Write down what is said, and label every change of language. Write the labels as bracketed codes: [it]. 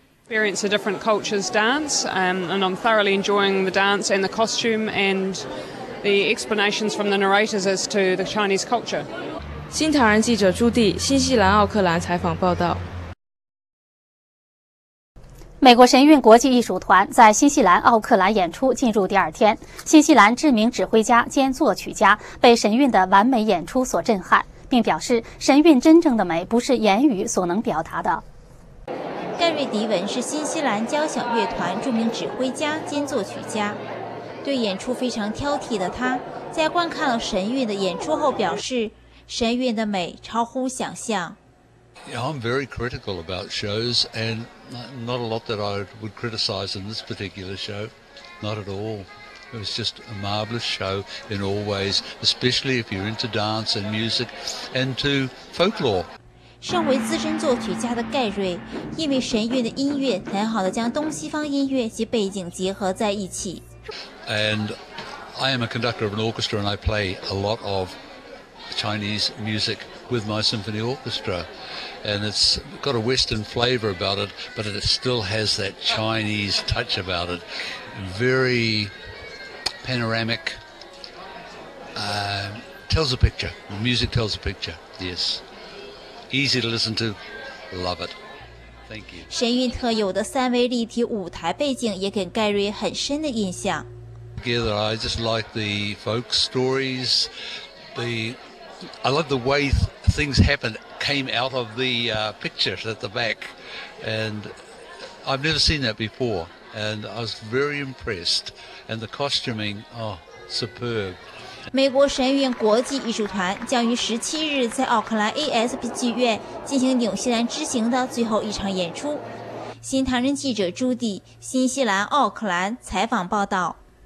[en] Experience a different culture's dance, and I'm thoroughly enjoying the dance and the costume and the explanations from the narrators as to the Chinese culture. [zh] 新唐人记者朱棣，新西兰奥克兰采访报道。美国神韵国际艺术团在新西兰奥克兰演出进入第二天，新西兰知名指挥家兼作曲家被神韵的完美演出所震撼，并表示神韵真正的美不是言语所能表达的。盖瑞·迪文是新西兰交响乐团著名指挥家兼作曲家，对演出非常挑剔的他在观看了神韵的演出后表示，神韵的美超乎想象。 [en] Yeah, I'm very critical about shows and not a lot that I would criticize in this particular show, not at all. It was just a marvelous show in all ways, especially if you're into dance and music and to folklore. [zh] 身为资深作曲家的盖瑞，因为神韵的音乐很好地将东西方音乐及背景结合在一起。 [en] And I am a conductor of an orchestra and I play a lot of Chinese music with my symphony orchestra. And it's got a Western flavor about it, but it still has that Chinese touch about it. Very panoramic. Tells a picture. The music tells a picture. Yes. Easy to listen to, love it. Thank you. [zh] 神韵特有的三维立体舞台背景也给盖瑞很深的印象。 [en] Together, I just like the folk stories. I love the way things happened came out of the picture at the back, and I've never seen that before, and I was very impressed. And the costuming, oh, superb. [zh] 美国神韵国际艺术团将于17日在奥克兰 ASB 剧院进行纽西兰之行的最后一场演出。新唐人记者朱棣，新西兰奥克兰采访报道。